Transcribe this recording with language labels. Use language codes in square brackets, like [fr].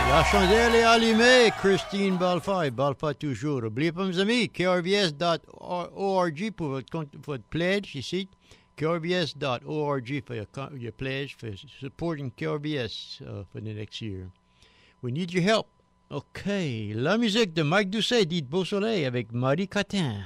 [fr] Chandelle est allumée, Christine Balfay, Balfa toujours. N'oubliez pas, mes amis, krvs.org pour votre pledge ici. [en] krvs.org for your pledge for supporting KRVS for the next year. We need your help. [fr] OK, la musique de Mike Doucet, dit Beau Soleil, avec Marie Catin.